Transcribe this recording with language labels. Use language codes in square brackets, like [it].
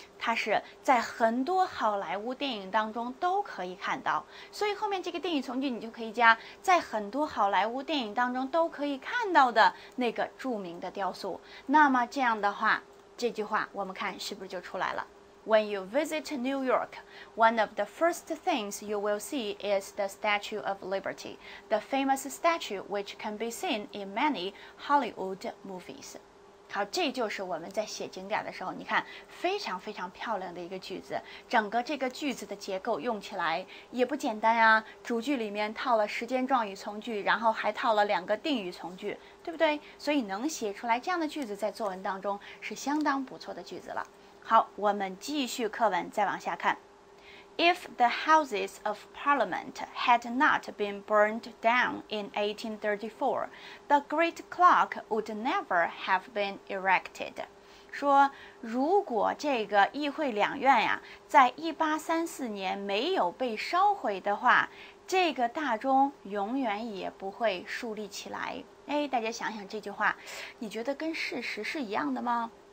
[zh] 它是在很多好莱坞电影当中都可以看到，所以后面这个定语从句你就可以加在很多好莱坞电影当中都可以看到的那个著名的雕塑。那么这样的话，这句话我们看是不是就出来了？ [en] When you visit New York, one of the first things you will see is the Statue of Liberty, the famous statue which can be seen in many Hollywood movies. [zh] 好，这就是我们在写景点的时候，你看，非常非常漂亮的一个句子。整个这个句子的结构用起来也不简单啊，主句里面套了时间状语从句，然后还套了两个定语从句，对不对？所以能写出来这样的句子，在作文当中是相当不错的句子了。好，我们继续课文，再往下看。 [en] If the Houses of Parliament had not been burned down in 1834, the Great Clock would never have been erected. [zh] 说如果这个议会两院呀，在1834年没有被烧毁的话，这个大钟永远也不会竖立起来。哎，大家想想这句话，你觉得跟事实是一样的吗？